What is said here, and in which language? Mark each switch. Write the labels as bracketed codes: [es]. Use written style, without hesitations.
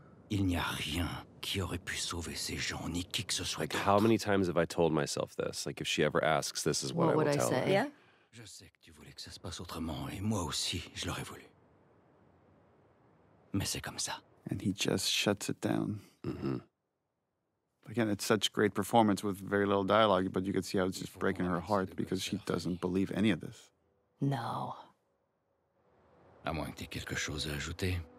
[fr] Il n'y a rien qui aurait pu sauver ces gens, ni qui que ce soit d'autre. [en] How many times have I told myself this? Like, if she ever asks, this is what I tell her. Yeah? [fr] Je sais que tu voulais que ça se passe autrement, et moi aussi, je l'aurais voulu. Mais c'est comme ça. [en] And he just shuts it down. Mm-hmm. Again, it's such great performance with very little dialogue, but you could see how it's just breaking her heart because she doesn't believe any of this. No. [fr] À moins que tu aies quelque chose à ajouter.